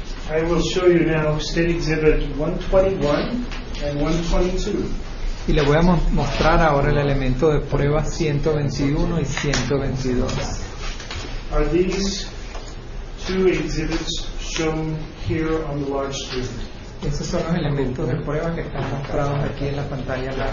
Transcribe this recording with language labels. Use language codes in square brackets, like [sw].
[en] I will show you now State Exhibit 121 and 122. [es] Y le voy a mostrar ahora el elemento de prueba 121 y 122. [en] Are these two exhibits shown here on the large screen? [es] Esos son los elementos de prueba que están mostrados aquí en la pantalla grande.